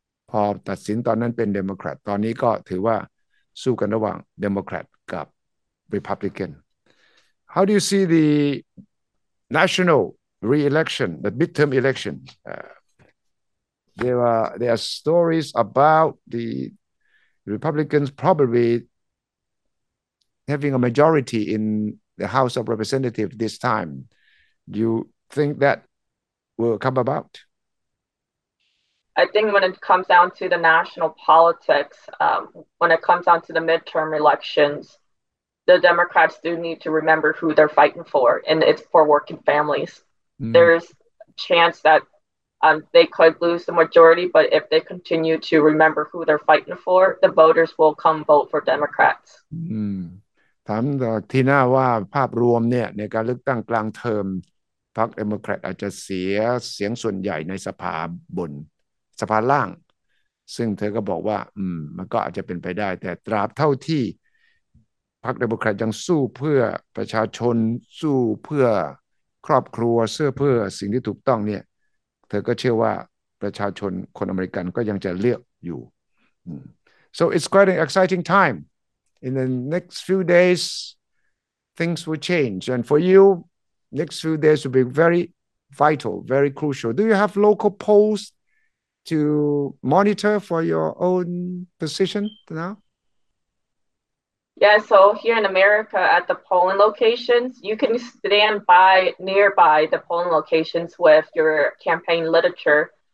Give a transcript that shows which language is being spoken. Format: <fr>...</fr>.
<th>พอตัดสินตอนนั้นเป็นเดโมแครตตอนนี้ก็ถือว่าสู้กันระหว่างเดโมแครตกับรีพับลิกัน</th> <en>How do you see the national re-election the midterm election there are stories about the Republicans probably having a majority in the House of Representatives this timeDo you think that will come about? I think when it comes down to the national politics, when it comes down to the midterm elections, the Democrats do need to remember who they're fighting for, and it's for working families. There's a chance that they could lose the majority, but if they continue to remember who they're fighting for, the voters will come vote for Democrats.</en> <th>ถามทีน่าว่าภาพรวมเนี่ยในการเลือกตั้งกลางเทอมพรรคเดโมแครตอาจจะเสียเสียงส่วนใหญ่ในสภาบนสภาล่างซึ่งเธอก็บอกว่ามันก็อาจจะเป็นไปได้แต่ตราบเท่าที่ พรรคเดโมแครตยังสู้เพื่อประชาชนสู้เพื่อครอบครัวเสื้อเพื่อสิ่งที่ถูกต้องเนี่ยเธอก็เชื่อว่าประชาชนคนอเมริกันก็ยังจะเลือกอยู่</th> <en>So it's quite an exciting timeIn the next few days, things will change. And for you, next few days will be very vital, very crucial. Do you have local polls to monitor for your own position now? Yeah, so here in America at the polling locations, you can stand by nearby the polling locations with your campaign literature.</en>